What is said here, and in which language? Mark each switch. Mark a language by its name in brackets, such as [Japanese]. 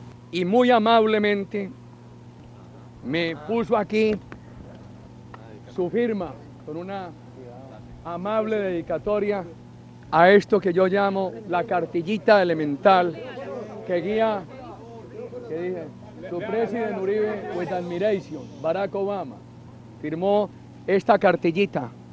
[Spanish] Y muy amablemente me puso aquí su firma con una amable dedicatoria a esto que yo llamo la cartillita elemental que guía, que dice, [English] to President Uribe with admiration. [Spanish] Barack Obama firmó esta cartillita.